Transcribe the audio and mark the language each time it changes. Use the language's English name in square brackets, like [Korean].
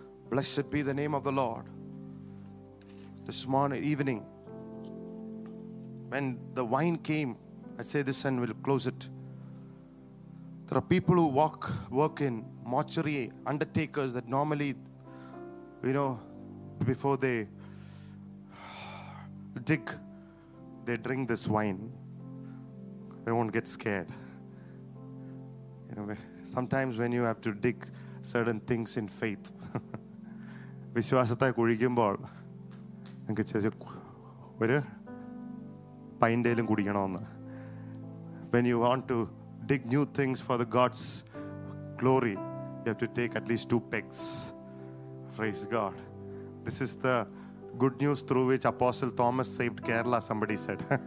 [English] Blessed be the name of the Lord. This morning, evening, when the wine came, I say this and we'll close it. There are people who work in mortuary, undertakers that normally, you know, before they dig, they drink this wine. They won't get scared. You know, sometimes when you have to dig certain things in faith, [Malayalam] വിശ്വാസത്തെ കുഴിക്കുമ്പോൾ നിങ്ങൾക്ക് ചെറിയ ഒരു പൈൻ്റെയിലും കുടിക്കണമെന്ന്. [English] When you want to dig new things for the God's glory, you have to take at least 2 pegs. Praise God. This is the good news through which Apostle Thomas saved Kerala, somebody said.